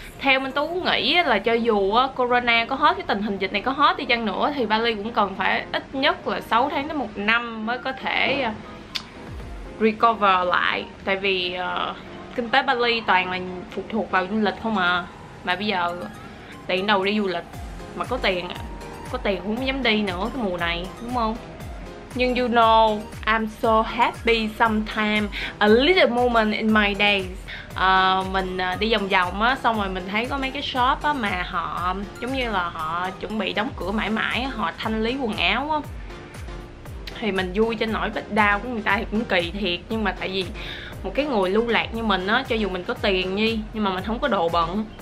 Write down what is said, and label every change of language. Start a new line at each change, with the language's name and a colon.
Vietnamese: Theo Minh Tú nghĩ là cho dù corona có hết, cái tình hình dịch này có hết đi chăng nữa, thì Bali cũng cần phải ít nhất là 6 tháng đến 1 năm mới có thể recover lại. Tại vì kinh tế Bali toàn là phụ thuộc vào du lịch không à. Mà bây giờ tiền đâu đi du lịch, mà có tiền cũng không dám đi nữa cái mùa này, đúng không?
English: Nhưng you know, I'm so happy sometimes, a little moment in my days.
Vietnamese: Mình đi vòng vòng á, xong rồi mình thấy có mấy cái shop á mà họ giống như là họ chuẩn bị đóng cửa mãi mãi, họ thanh lý quần áo á. Thì mình vui cho nỗi bất đau của người ta thì cũng kỳ thiệt. Nhưng mà tại vì một cái người lưu lạc như mình á, cho dù mình có tiền nhi, nhưng mà mình không có đồ bận.